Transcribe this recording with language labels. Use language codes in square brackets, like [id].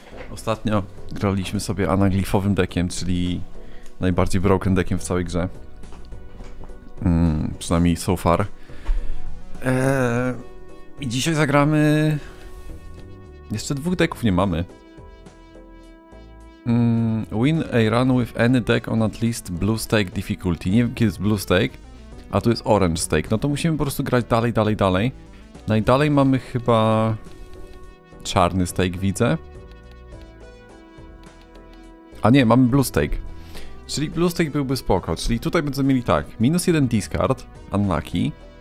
[pl] Ostatnio graliśmy sobie anaglifowym deckiem, czyli najbardziej broken deckiem w całej grze, przynajmniej [en] so far. [pl] I dzisiaj zagramy, jeszcze dwóch decków nie mamy. [en] Win a run with any deck on at least blue stake difficulty. [pl] Nie wiem, kiedy jest blue stake, a tu jest orange stake. No to musimy po prostu grać dalej. Najdalej mamy chyba czarny stake, widzę. A nie, mamy blue stake. Czyli blue stake byłby spoko. Czyli tutaj będziemy mieli tak, minus jeden discard, unlucky.